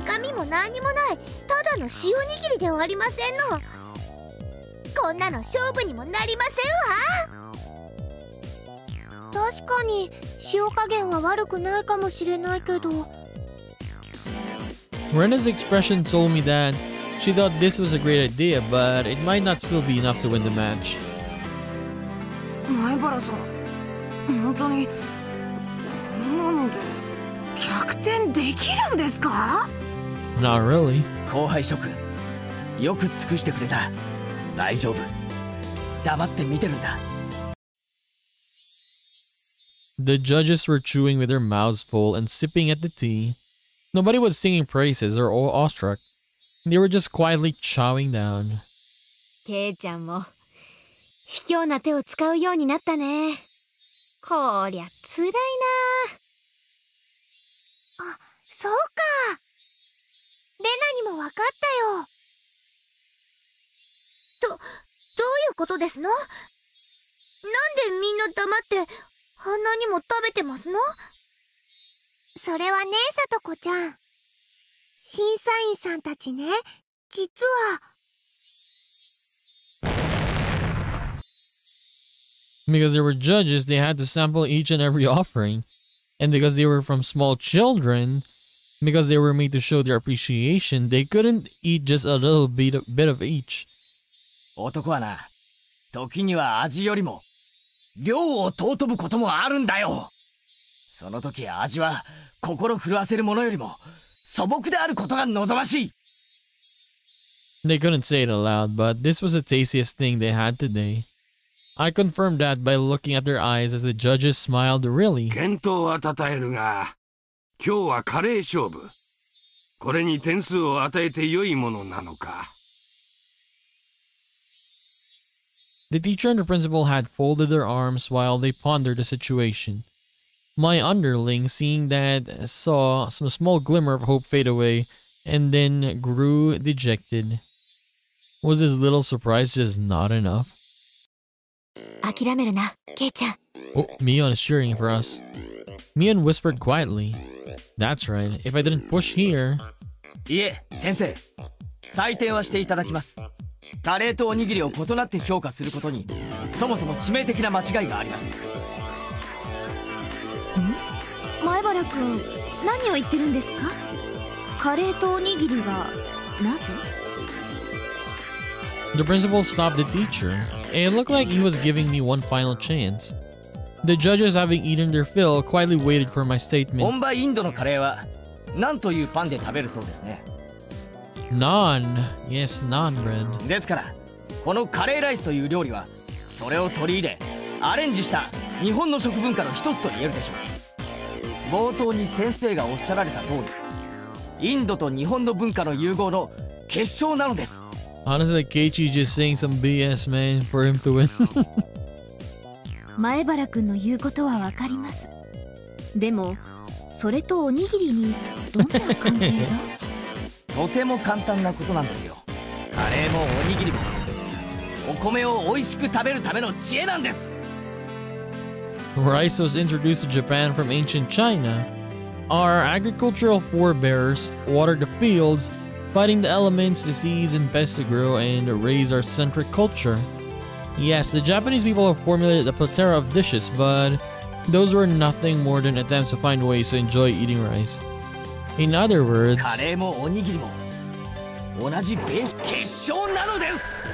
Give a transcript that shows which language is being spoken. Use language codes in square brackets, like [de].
[ja] 中身も何にもない、ただの塩おにぎりではありませんの! こんなの勝負にもなりませんわ。確かに塩加減は悪くないかもしれないけど。 [en] Rena's expression told me that she thought this was a great idea, but it might not still be enough to win the match. [ja] 前原さん、本当にこんなので逆転できるんですか [en] ？Not really. [ja] 後輩諸君、よく尽くしてくれた。大丈夫。黙って見てるんだ。 [en] The judges were chewing with their mouths full and sipping at the tea. Nobody was singing praises or awestruck. They were just quietly chowing down. [ja] ケイちゃんも卑怯な手を使うようになったね。こりゃ辛いな。あ、そうか。レナにも分かったよ。どういうことですの? なんでみんな黙ってあんなにも食べてますの? それはね、さとこちゃん。審査員さんたちね、実は。 Because they were judges, they had to sample each and every offering. And because they were from small children, because they were made to show their appreciation, they couldn't eat just a little bit of each. 男はな、時には味よりも量を尊ぶこともあるんだよ。その時味は心震わせるものよりも素朴であることが望ましい。 [en] They couldn't say it aloud, but this was the tastiest thing they had today. I confirmed that by looking at their eyes as the judges smiled really. [ja] 健闘は称えるが、今日はカレー勝負。これに点数を与えて良いものなのか。 [en] The teacher and the principal had folded their arms while they pondered the situation. My underling, seeing that, saw some small glimmer of hope fade away and then grew dejected. Was his little surprise just not enough? 諦めるな、ケイちゃん。 Oh, Mion is cheering for us. Mion whispered quietly. That's right, if I didn't push here... [ja] いえ、先生。採点はしていただきます。カレーとおにぎりを異なって評価することにそもそも致命的な間違いがあります。ん? 前原君、何を言ってるんですか?カレーとおにぎりがなぜ? [en] The principal stopped the teacher. It looked like he was giving me one final chance. The judges, having eaten their fill, quietly waited for my statement. [ja] 本場インドのカレーはナンというパンで食べるそうですね。ナン、 [en] yes, [ja] ナンブレッド。ですから、このカレーライスという料理はそれを取り入れ、アレンジした日本の食文化の一つと言えるでしょう。冒頭に先生がおっしゃられた通り、インドと日本の文化の融合の結晶なのです。 [en] Honestly, Keiichi just saying some BS, man, for him to win. [ja] 前原君の言うことはわかります。でも、それとおにぎりにどんな関係が？とても簡単なことなんですよ。カレーもおにぎりも、お米を美味しく食べるための知恵なんです。 [en] Rice was introduced to Japan from ancient China. Our agricultural forebears watered the fields, fighting the elements, disease, and pests to grow and raise our centric culture. Yes, the Japanese people have formulated a plethora of dishes, but those were nothing more than attempts to find ways to enjoy eating rice. In other words, [ja] カレーもおにぎりも同じベース結晶なのです。